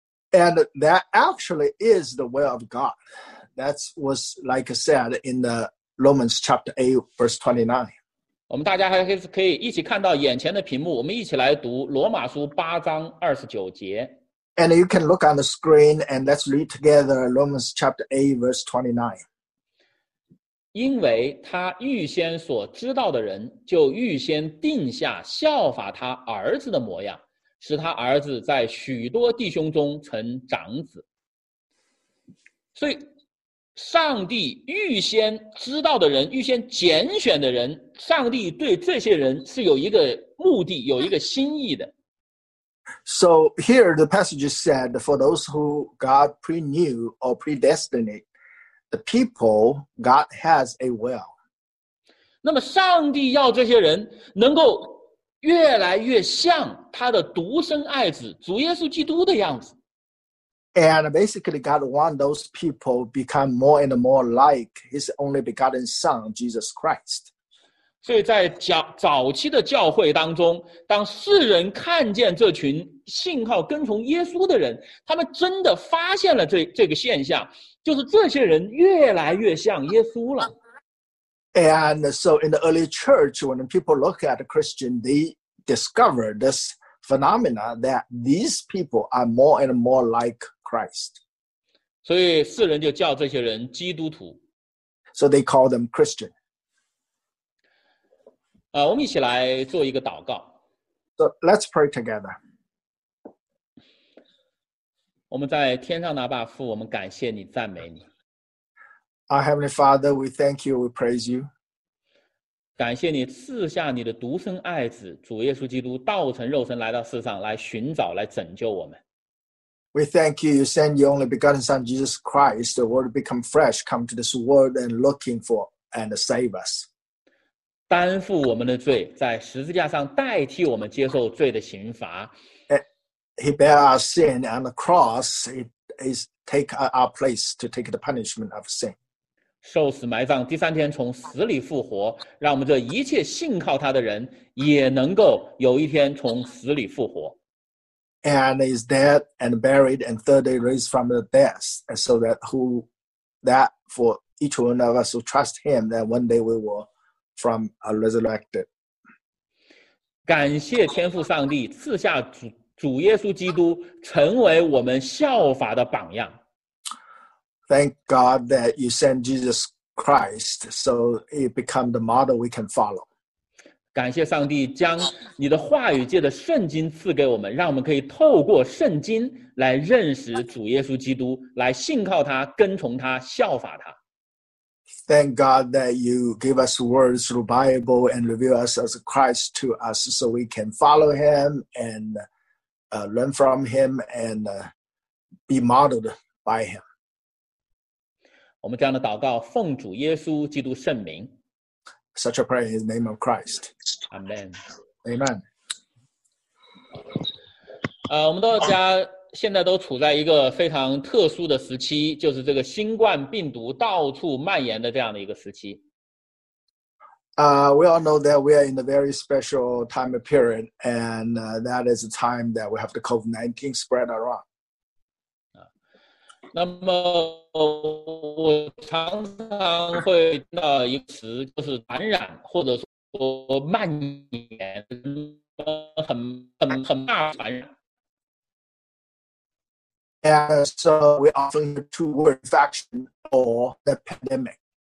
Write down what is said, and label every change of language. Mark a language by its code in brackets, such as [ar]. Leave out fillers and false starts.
[en] And that actually is the will of God. That was like said in the Romans 8:29. [zh] 我们大家还可以一起看到眼前的屏幕，我们一起来读罗马书8:29。 [en] And you can look on the screen and let's read together Romans 8:29. [zh] 因为他预先所知道的人，就预先定下效法他儿子的模样，使他儿子在许多弟兄中成长子。所以上帝预先知道的人，预先拣选的人，上帝对这些人是有一个目的，有一个心意的。 [en] So here the passage said, for those who God pre-knew or predestined the people, God has a will. [zh] 那么上帝要这些人能够越来越像他的独生爱子，主耶稣基督的样子。 [en] And basically, God wants those people to become more and more like His only begotten Son, Jesus Christ. [zh] 所以在早期的教会当中，当世人看见这群信靠跟从耶稣的人，他们真的发现了这个现象，就是这些人越来越像耶稣了。 [en] And so in the early church, when people look at Christians, they discover this phenomena that these people are more and more like Christ. [zh] 所以世人就叫这些人基督徒。 [en] So they call them Christian. [zh] 我们一起来做一个祷告。 [en] So let's pray together. [zh] 我们在天上的阿爸父，我们感谢你，赞美你。 [en] Our Heavenly Father, we thank you, we praise you. [zh] 感谢你赐下你的独生爱子主耶稣基督，道成肉身来到世上，来寻找，来拯救我们。 [en] We thank you, you send your only begotten Son, Jesus Christ, the Word become flesh, come to this world and looking for and save us. [zh] 担负我们的罪，在十字架上代替我们接受罪的刑罚。 [en] He bare our sin on the cross, is take our place to take the punishment of sin. [zh] 受死埋葬，第三天从死里复活，让我们这一切信靠他的人也能够有一天从死里复活。 [en] And is dead and buried and third day raised from the death, and so that who that for each one of us who trust him, that one day we will from a resurrected. [zh] 感谢天父上帝赐下主耶稣基督成为我们效法的榜样。 [en] Thank God that you sent Jesus Christ so it become the model we can follow. [zh] 感谢上帝将你的话语界的圣经赐给我们，让我们可以透过圣经来认识主耶稣基督，来信靠他，跟从他，效法他。 [en] Thank God that you give us words through Bible and reveal us as Christ to us so we can follow him and learn from him and be modeled by him. [zh] 我们这样的祷告奉主耶稣基督圣名。 [en] Such a prayer in the name of Christ. Amen. Amen. [zh] 我们大家现在都处在一个非常特殊的时期，就是这个新冠病毒到处蔓延的这样的一个时期。 [en] We all know that we are in a very special time period, and that is the time that we have the COVID-19 spread around. [zh] 那么我常常会听到一个词，就是感染或者说蔓延，很大传染。 [en] And so we often hear two words, infection or the pandemic.